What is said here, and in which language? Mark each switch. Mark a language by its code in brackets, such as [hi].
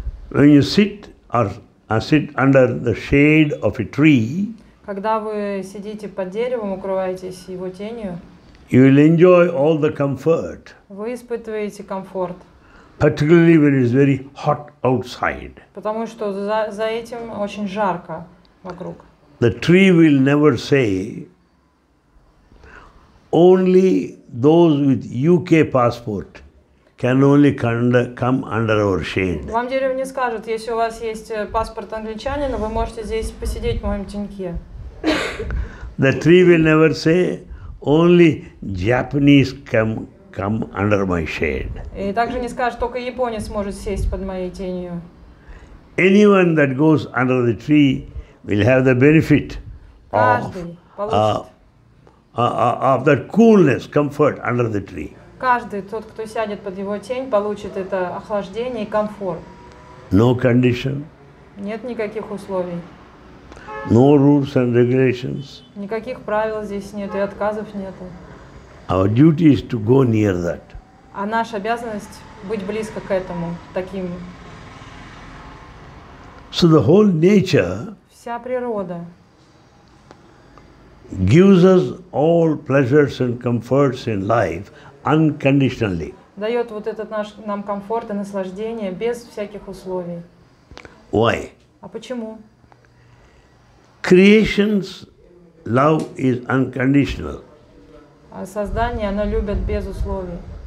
[en] When you sit or sit under the shade of a tree, [ru] когда вы сидите под деревом, укрываетесь его тенью, [en] you will enjoy all the comfort. [ru] Вы испытываете комфорт. [en] Particularly when it is very hot outside. [ru] Потому что за этим очень жарко вокруг. [en] The tree will never say, only those with UK passport can only come under our shade. [ru] Вам дерево не скажет, если у вас есть паспорт англичанина, вы можете здесь посидеть в моем теньке. [en] The tree will never say, only Japanese come under my shade. [ru] И также не скажет, только японец может сесть под моей тенью. [en] Anyone that goes under the tree will have the benefit of that coolness, comfort under the tree. [ru] Каждый тот, кто сядет под его тень, получит это охлаждение и комфорт. [en] No condition. [ru] Нет никаких условий. [en] No rules and regulations. [ru] Никаких правил здесь нет и отказов нету. [en] Our duty is to go near that. [ru] А наша обязанность быть близко к этому, таким. [en] So the whole nature. [ru] Вся природа. [en] Gives us all pleasures and comforts in life. Unconditionally. [ru] Дает вот этот наш нам комфорт и наслаждение без всяких условий. [en] Why? [ru] А почему? [en] Creation's love is unconditional. [ru] А создание оно любит без условий.